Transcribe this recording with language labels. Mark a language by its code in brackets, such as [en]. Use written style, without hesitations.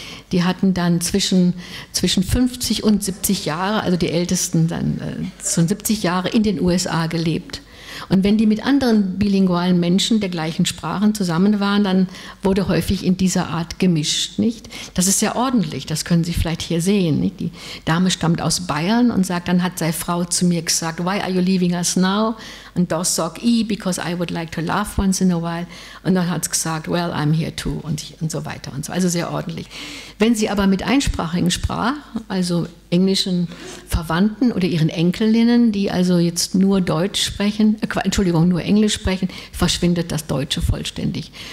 [de] Die hatten dann zwischen 50 und 70 Jahre, also die Ältesten dann schon 70 Jahre in den USA gelebt. Und wenn die mit anderen bilingualen Menschen der gleichen Sprachen zusammen waren, dann wurde häufig in dieser Art gemischt, nicht? Das ist sehr ordentlich, das können Sie vielleicht hier sehen, nicht? Die Dame stammt aus Bayern und sagt, dann hat seine Frau zu mir gesagt, [en] why are you leaving us now? [de] Und das sagt, [en] because I would like to laugh once in a while. [de] Und dann hat es gesagt, [en] well, I'm here too [de] und so weiter und so. Also sehr ordentlich. Wenn sie aber mit einsprachigen Sprachen, also englischen Verwandten oder ihren Enkelinnen, die also jetzt nur Deutsch sprechen, nur Englisch sprechen, verschwindet das Deutsche vollständig.